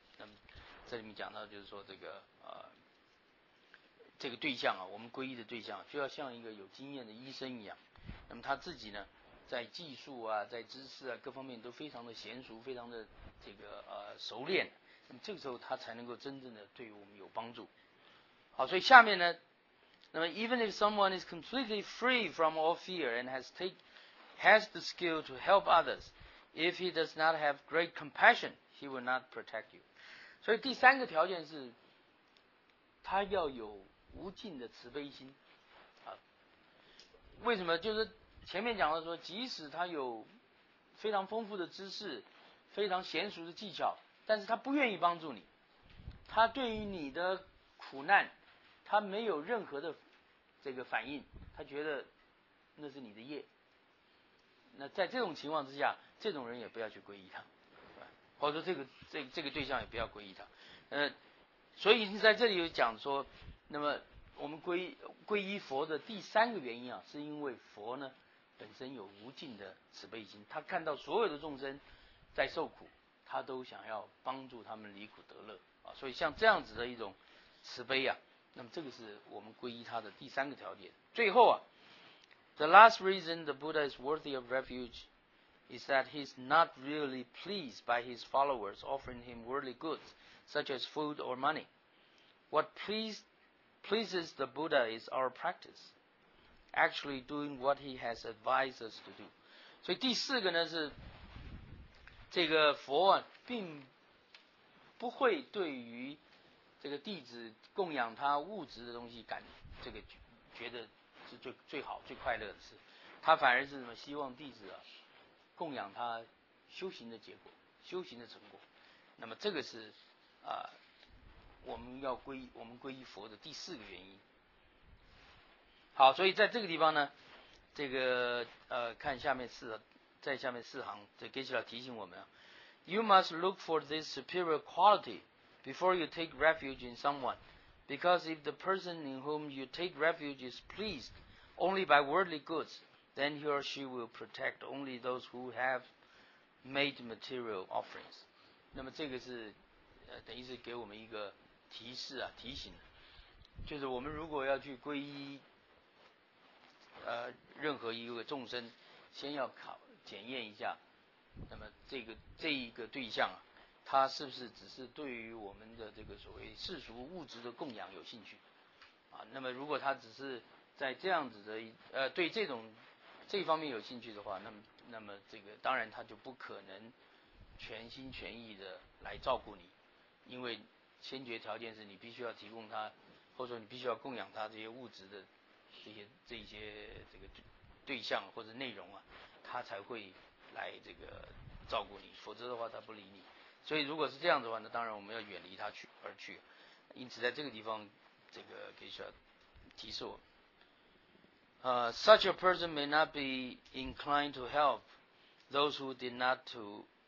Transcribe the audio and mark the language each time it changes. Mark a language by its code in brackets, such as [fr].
[zh] 那么这里面讲到就是说这个这个对象啊，我们皈依的对象就要像一个有经验的医生一样。那么他自己呢，在技术啊、在知识啊各方面都非常的娴熟，非常的这个熟练。那么这个时候他才能够真正的对于我们有帮助。好，所以下面呢，那么 [en] even if someone is completely free from all fear and has the skill to help others, if he does not have great compassion, he will not protect you. [zh] 所以第三个条件是，他要有无尽的慈悲心啊。为什么？就是前面讲的说，即使他有非常丰富的知识、非常娴熟的技巧，但是他不愿意帮助你，他对于你的苦难，他没有任何的这个反应，他觉得那是你的业。那在这种情况之下，这种人也不要去皈依他，或者说这个对象也不要皈依他。所以在这里有讲说，那么我们皈依佛的第三个原因啊，是因为佛呢本身有无尽的慈悲心，他看到所有的众生在受苦，他都想要帮助他们离苦得乐啊。所以像这样子的一种慈悲啊，那么这个是我们皈依他的第三个条件。最后啊。 [en] The last reason the Buddha is worthy of refuge is that he's not really pleased by his followers offering him worldly goods, such as food or money. What pleases the Buddha is our practice, actually doing what he has advised us to do. [zh] 所以第四个呢是，这个佛啊，并不会对于这个弟子供养他物质的东西觉得是最好最快乐的事，他反而是什么？希望弟子啊供养他修行的结果、修行的成果。那么这个是我们皈依佛的第四个原因。好，所以在这个地方呢，这个看下面四，在下面四行，这给起来提醒我们啊 ， [en] You must look for this superior quality before you take refuge in someone。 Because if the person in whom you take refuge is pleased only by worldly goods, then he or she will protect only those who have made material offerings. [zh] 那么这个是等于是给我们一个提示啊，提醒，就是我们如果要去皈依任何一个众生，先要检验一下，那么这一个对象啊，他是不是只是对于我们的这个所谓世俗物质的供养有兴趣啊？那么如果他只是在这样子的对这方面有兴趣的话，那么这个当然他就不可能全心全意的来照顾你，因为先决条件是你必须要提供他，或者说你必须要供养他这些物质的这些这个对象或者内容啊，他才会来这个照顾你，否则的话他不理你。所以如果是这样的话，那当然我们要远离他而去。因此在这个地方，这个给需要提示我。 [en] Such a person may not be inclined to help those who did not to